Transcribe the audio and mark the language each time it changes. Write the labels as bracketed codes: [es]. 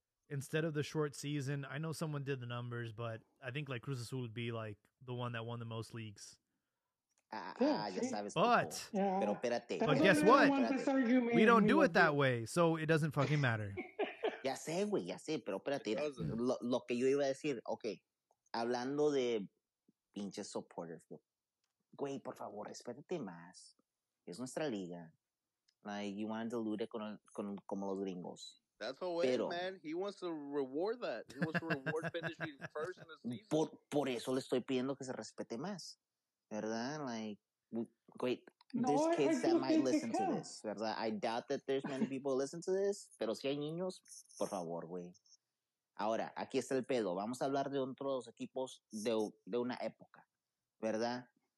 [en] instead of the short season, I know someone did the numbers, but I think like Cruz Azul would be like the one that won the most leagues. But guess what? We don't do it that way, so it doesn't fucking matter. [es] Ya sé, güey, ya sé, pero espérate. Lo que yo iba a decir, okay, hablando de pinches supporters, güey, por favor, espérate más. Es nuestra liga. [en] Like, you want to dilute it [es] con como los gringos. [en] That's the way, [es] pero, [en] man. He wants to reward that. He wants to reward finishing first in the season. [es] Por eso le estoy pidiendo que se respete más. [en] ¿Verdad? Like, wait, there's kids that might listen to this, ¿verdad? I doubt that there's many people who listen to this, [es] pero si hay niños, por favor, güey. Ahora, aquí está el pedo. Vamos a hablar de otros equipos de una época, ¿verdad?